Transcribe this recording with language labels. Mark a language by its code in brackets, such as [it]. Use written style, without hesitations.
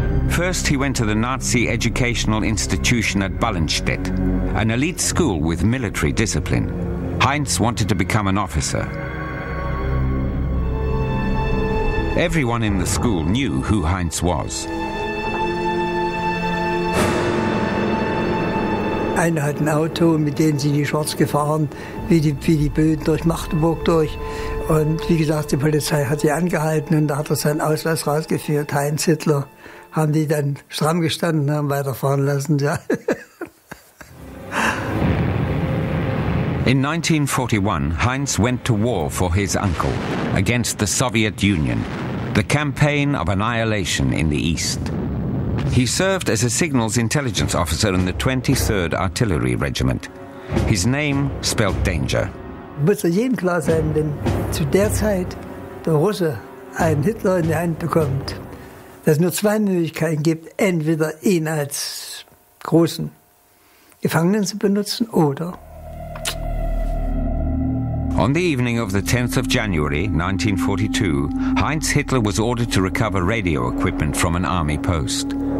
[en] First, he went to the Nazi educational institution at Ballenstedt, an elite school with military discipline. Heinz wanted to become an officer. Everyone in the school knew who Heinz was. [de] Einer hat ein Auto, mit dem sind die Schwarz gefahren, wie die Böden durch Magdeburg durch. Und wie gesagt, die Polizei hat sie angehalten und da hat er seinen Ausweis rausgeführt, Heinz Hitler. Haben die dann stramm gestanden und haben weiterfahren lassen, ja. [en] In 1941, Heinz went to war for his uncle against the Soviet Union, the campaign of annihilation in the East. He served as a signals intelligence officer in the 23rd Artillery Regiment. His name spelled danger. [de] Muss ja jedem klar sein, wenn zu der Zeit der Russe einen Hitler in die Hand bekommt, dass es nur zwei Möglichkeiten gibt, entweder ihn als großen Gefangenen zu benutzen oder... [en] On the evening of the 10th of January, 1942, Heinz Hitler was ordered to recover radio equipment from an army post.